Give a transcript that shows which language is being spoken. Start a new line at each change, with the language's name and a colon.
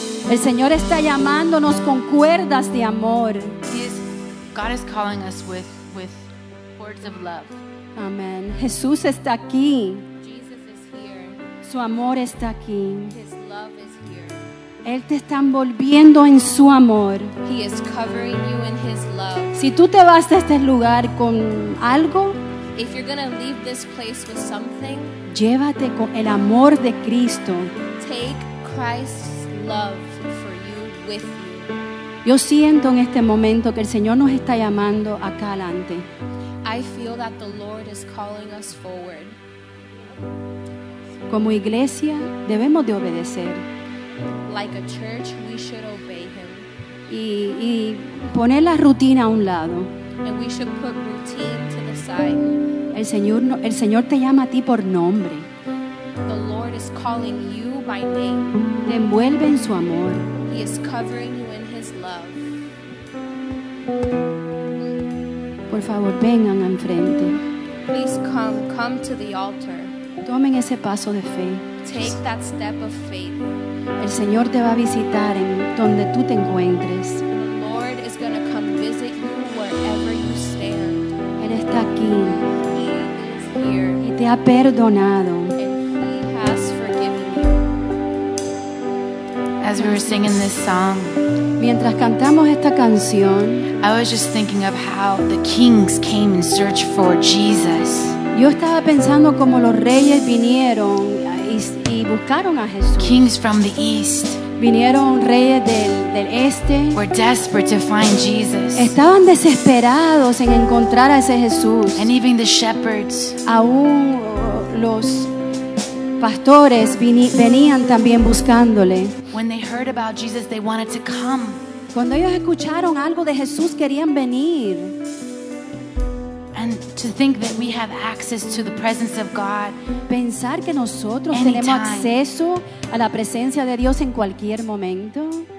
Spanish: El Señor está llamándonos con cuerdas de amor.
English: God is calling us with cords of love.
Spanish: Amen. Jesús está aquí.
English: Jesus is here.
Spanish: Su amor está aquí.
English: His love is here.
Spanish: Él te está envolviendo en su amor.
English: He is covering you in his love.
Spanish: Si tú te vas de este lugar con algo,
English: if you're gonna leave this place with something,
Spanish: llévate con el amor de Cristo.
English: Take Christ's love for you with you.
Spanish: Yo siento en este momento que el Señor nos está llamando acá adelante.
English: I feel that the Lord is calling us forward.
Spanish: Como iglesia, debemos de obedecer.
English: Like a church, we should obey him.
Spanish: Y poner la rutina a un lado.
English: And we should put routine to the side.
Spanish: El Señor te llama a ti por nombre.
English: The Lord is calling you by name.
Spanish: Te envuelve en su amor.
English: He is covering you in his love.
Spanish: Por favor, vengan al frente.
English: Please come to the altar.
Spanish: Tomen ese paso de fe.
English: Take that step of faith.
Spanish: El Señor te va a visitar en donde tú te encuentres.
English: The Lord is going to come visit you wherever you stand.
Spanish: Él está aquí.
English: He is here.
Spanish: Y te ha perdonado.
English: And he has forgiven you. As we were singing this song,
Spanish: mientras cantamos esta canción,
English: I was just thinking of how the kings came in search for Jesus.
Spanish: Yo estaba pensando como los reyes vinieron y buscaron a Jesús.
English: Kings from the east.
Spanish: Vinieron reyes del este.
English: Were desperate to find Jesus.
Spanish: Estaban desesperados en encontrar a ese Jesús.
English: And even the shepherds.
Spanish: Aún los pastores venían también buscándole.
English: When they heard about Jesus, they wanted to come.
Spanish: Cuando ellos escucharon algo de Jesús, querían venir.
English: And to think that we have access to the presence of God.
Spanish: Pensar que nosotros tenemos acceso a la presencia de Dios en cualquier momento.